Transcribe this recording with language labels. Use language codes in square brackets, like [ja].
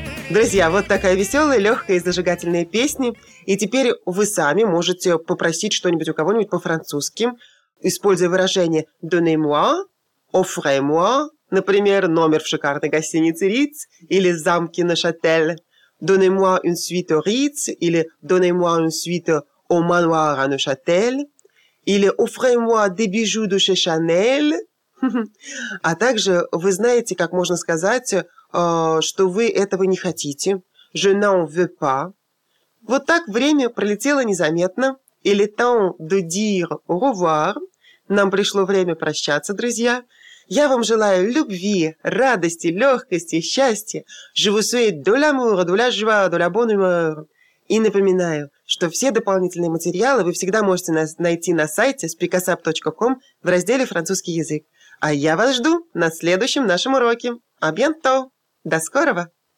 [ru] Друзья, вот такая веселая, легкая и зажигательная песня. И теперь вы сами можете попросить что-нибудь у кого-нибудь по-французски, используя выражение [fr] «donnez-moi», «offrez-moi», [ru] например, номер в шикарной гостинице «Ritz» или «замке Neuchâtel», [fr] «donnez-moi une suite au Ritz» [ru] или [fr] «donnez-moi une suite au manoir à Neuchâtel», [ru] или [fr] «offrez-moi des bijoux de chez Chanel». [ru] А также вы знаете, как можно сказать, что вы этого не хотите. [fr] Je n'en veux pas. [ru] Вот так время пролетело незаметно. [fr] Et le temps de dire au revoir. [ru] Нам пришло время прощаться, друзья. Я вам желаю любви, радости, легкости, счастья. [fr] Je vous souhaite de l'amour, de la joie, de la bonne humeur. [ru] И напоминаю, что все дополнительные материалы вы всегда можете найти на сайте speakasap.com в разделе «Французский язык». А я вас жду на следующем нашем уроке. [fr] А bientôt! [ru] До скорого!